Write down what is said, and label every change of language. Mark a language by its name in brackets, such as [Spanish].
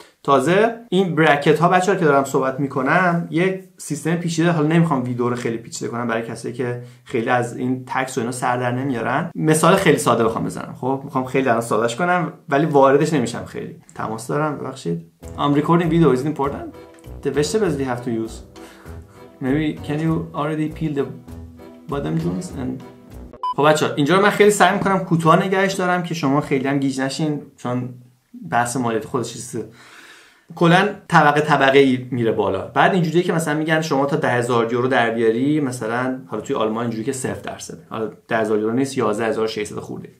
[Persian] تازه این برکت ها بچه ها که دارم صحبت میکنم یک سیستم پیچیده، حالا نمیخوام ویدیو رو خیلی پیچیده کنم برای کسی که خیلی از این تکس و اینا سر در نمیارن، مثال خیلی ساده بخوام بزنم. خب میخوام خیلی الان سادهش کنم ولی واردش نمیشم، خیلی تماس دارم ببخشید. [English] I'm recording video, is it important? The vegetables we have to use, maybe can you already peel the bottom joints and... [Persian] خب بچه ها اینجا رو من خیلی سعی میکنم کوتاه نگهش دارم که شما خیلی هم گیج نشین چون بحث مالیات خودش چیزه، کلن طبقه طبقه میره بالا. بعد اینجوریه که مثلا میگن شما تا 10,000 یورو در بیاری، مثلا حالا توی آلمان اینجوری که 0% حالا 10,000 یورو نیست، 11,600 خورده.